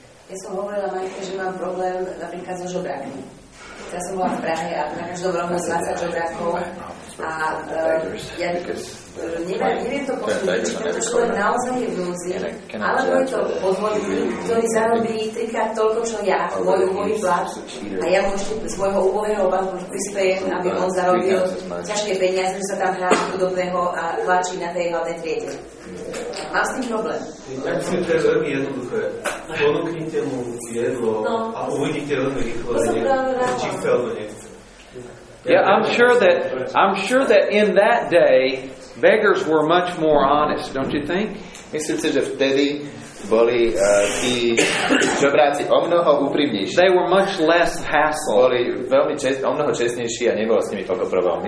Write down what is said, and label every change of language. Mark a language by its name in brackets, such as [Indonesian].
[Slovak] Ja som hovorila Majke, že mám problém napríklad so žobrakmi. Ja som bola v Prahe a na každom rohu 20 žobrakov a ja neviem to posúdiť, pretože naozaj je v núzi, ale môj to podvodník, ktorý zarobí trikrát toľko, čo ja, môj úbohý plat, a ja mu ešte z môjho úbohého platu prispejem, aby on zarobil ťažké peniaze, že sa tam hrá chudobného a tlačí na tej hlavnej triede. Mám s tým problém. Ja myslím, že je veľmi jednoduché. Ponúknite mu jedlo a uvidíte veľmi rýchlo, či chce alebo nechce. [English] Yeah, I'm sure that in that day beggars were much more honest, don't you think? [Slovak] Myslím si, že vtedy boli tí žobráci o mnoho úprimnejší. [English] They were much less hassle. [Slovak] Boli veľmi o mnoho čestnejší a nebolo s nimi toľko problém.